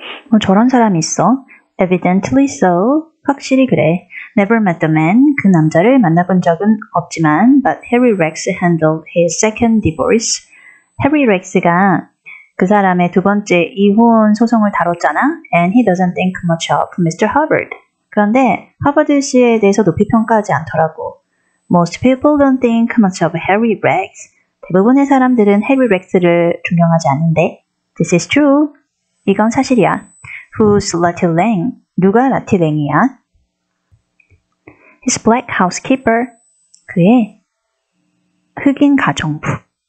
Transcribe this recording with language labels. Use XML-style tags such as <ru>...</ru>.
<ko>뭐 저런 사람이 있어.</ko> <en>Evidently so.</en> <ko>확실히 그래.</ko> <en>Never met the man.</en> <ko>그 남자를 만나본 적은 없지만</ko> <en>But Harry Rex handled his second divorce.</en> <ko>Harry Rex가 그 사람의 두 번째 이혼 소송을 다뤘잖아.</ko> <en>And he doesn't think much of Mr. Hubbard.</en> <ko>그런데 하버드 씨에 대해서 높이 평가하지 않더라고.</ko> <en>Most people don't think much of Harry Rex.</en> <ko>대부분의 사람들은 해리 렉스를 존경하지 않는데.</ko> <en>This is true.</en> <ko>이건 사실이야.</ko> <en>Who's Lottie Lang?</en> <ko>누가 라티 랭이야?</ko> <en>His black housekeeper.</en> <ko>그의 흑인 가정부.</ko>